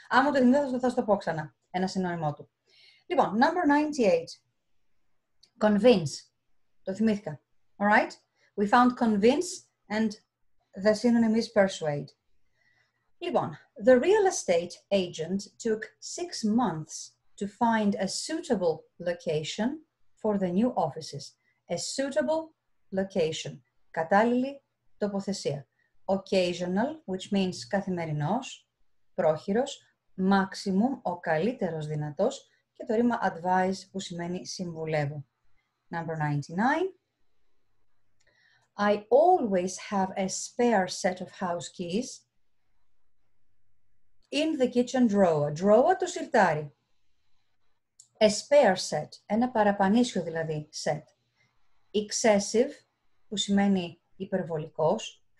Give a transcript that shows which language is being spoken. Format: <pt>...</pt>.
<el>Άμα το θυμηθώ, θα το πω ξανά, ένα συνώνυμό του.</el> <en>Λοιπόν, number 98. Convince.</en> <el>Το θυμήθηκα.</el> <en>All right? We found convince and the synonym is persuade. Λοιπόν, the real estate agent took 6 months to find a suitable location for the new offices. A suitable location.</en> <el>Κατάλληλη τοποθεσία.</el> <en>Occasional, which means</en> <el>καθημερινός, πρόχειρος. maximum, ο καλύτερος δυνατός, και το ρήμα advise που σημαίνει συμβουλεύω.</el> <en>Number 99. I always have a spare set of house keys in the kitchen drawer.</en> <el>Drawer, το συρτάρι.</el> <en>A spare set,</en> <el>ένα παραπανήσιο δηλαδή</el> <en>set.</en> <el>Excessive, που σημαίνει υπερβολικός.</el>